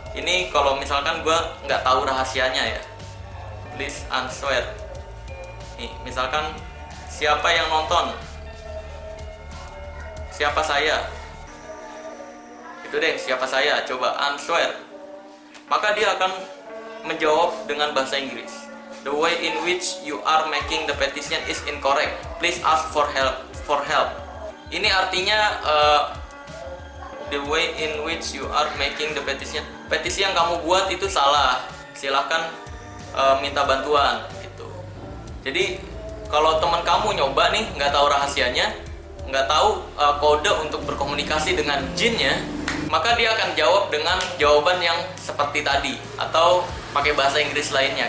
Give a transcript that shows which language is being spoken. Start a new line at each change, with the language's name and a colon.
Indonesian: Ini kalau misalkan gue nggak tahu rahasianya ya.
English: Please answer.
Indonesian: Nih, misalkan siapa yang nonton? Siapa saya? Itu deh, siapa saya, coba answer. Maka dia akan menjawab dengan bahasa Inggris.
English: The way in which you are making the petition is incorrect. Please ask for help.
Indonesian: Ini artinya
English: the way in which you are making the petition.
Indonesian: Petisi yang kamu buat itu salah. Silakan minta bantuan gitu. Jadi kalau teman kamu nyoba nih, enggak tahu rahasianya, enggak tahu kode untuk berkomunikasi dengan jinnya, maka dia akan jawab dengan jawaban yang seperti tadi atau pakai bahasa Inggris lainnya.